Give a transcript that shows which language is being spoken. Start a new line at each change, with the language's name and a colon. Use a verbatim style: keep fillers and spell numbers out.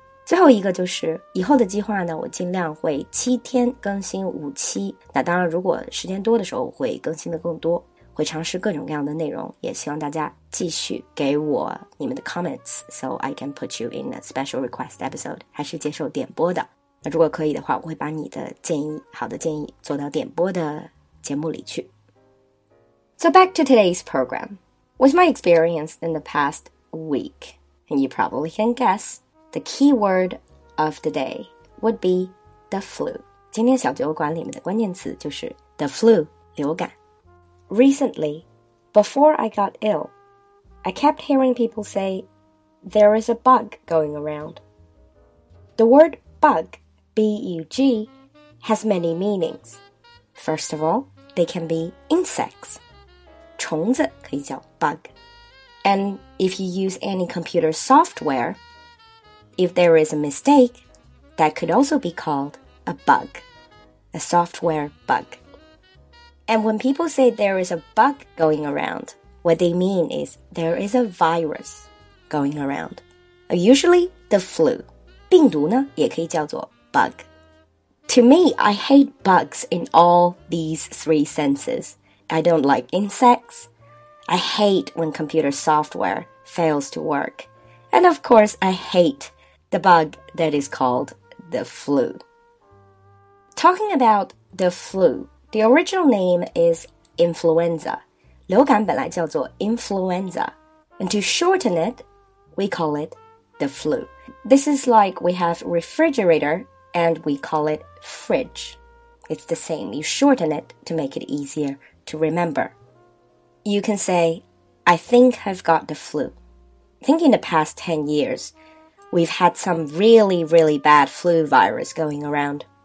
Chinese: 最后一个就是以后的计划呢，我尽量会七天更新五期，那当然如果时间多的时候我会更新的更多，会尝试各种各样的内容，也希望大家继续给我你们的
English: comments so I can put you in a special request episode，
Chinese: 还是接受点播的，那如果可以的话我会把你的建议，好的建议做到点播的节目里去。
English: So back to today's program. What's my experience in the past week? And you probably can guess, the key word of the day would be the flu.
Chinese: 今天小酒馆里面的关键词就是 the flu, 流感。
English: Recently, before I got ill, I kept hearing people say, there is a bug going around. The word bug, B U G, has many meanings. First of all, they can be insects.
Chinese: 虫子可以叫 bug.
English: And if you use any computer software, if there is a mistake, that could also be called a bug, a software bug. And when people say there is a bug going around, what they mean is there is a virus going around, usually the flu.
Chinese: 病毒呢，也可以叫做 bug.
English: To me, I hate bugs in all these three senses. I don't like insects. I hate when computer software fails to work. And of course, I hate the bug that is called the flu. Talking about the flu, the original name is influenza.
Chinese: 流感本来叫做 influenza.
English: And to shorten it, we call it the flu. This is like we have refrigerator and we call it fridge. It's the same. You shorten it to make it easier to remember. You can say, I think I've got the flu. I think in the past ten years, we've had some really, really bad flu virus going around.